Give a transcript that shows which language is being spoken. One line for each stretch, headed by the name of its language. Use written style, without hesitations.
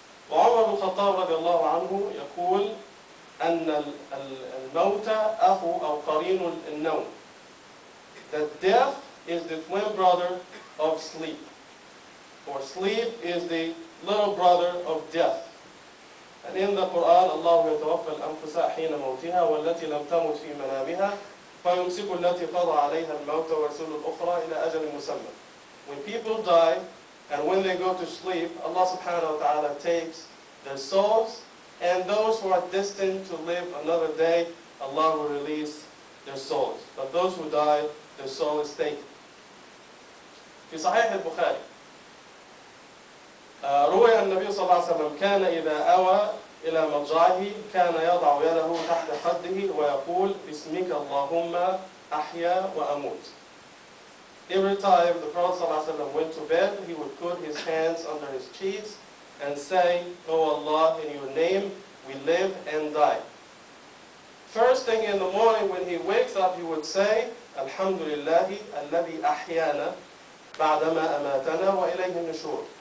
Arabic: وعمر الخطاب رضي الله عنه يقول أن الموت أخو أو قرين النوم.
English: That death is the twin brother of sleep. Or sleep is the little brother of death. And in the Quran,
Arabic: الله يتوفى الأنفس حين موتها والتي لم تمت في منامها فيمسك التي قضى عليها الموت ويرسل الأخرى إلى أجل مسمى.
English: When people die and when they go to sleep, Allah subhanahu wa ta'ala takes their souls, and those who are destined to live another day, Allah will release their souls. But those who die, their soul is taken.
Arabic: في صحيح البخاري روى النبي صلى الله عليه وسلم كان إذا أوى إلى مضجعه كان يضع يده تحت خده ويقول باسمك اللهم أحيا وأموت.
English: Every time the Prophet ﷺ went to bed, he would put his hands under his cheeks and say, O Allah, in your name, we live and die. First thing in the morning when he wakes up, he would say, Alhamdulillah,
Arabic: الذي أحيانا بعدما أماتنا وإليه النشور.